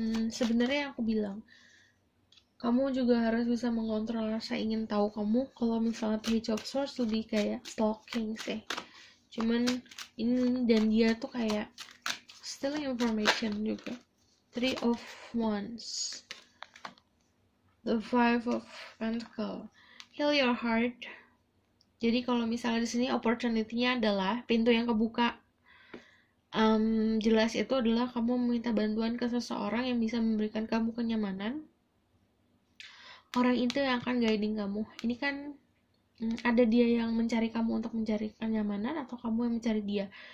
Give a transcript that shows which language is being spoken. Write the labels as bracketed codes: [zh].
[id] Sebenarnya aku bilang, kamu juga harus bisa mengontrol rasa ingin tahu kamu. Kalau misalnya Page of Swords lebih kayak stalking sih. Cuman ini dan dia tuh kayak stealing information juga. [en] Three of Wands, the Five of Pentacles, heal your heart. [id] Jadi kalau misalnya di sini opportunity-nya adalah pintu yang kebuka. Jelas itu adalah kamu meminta bantuan ke seseorang yang bisa memberikan kamu kenyamanan. Orang itu yang akan guiding kamu. Ini kan ada dia yang mencari kamu untuk mencari kenyamanan atau kamu yang mencari dia.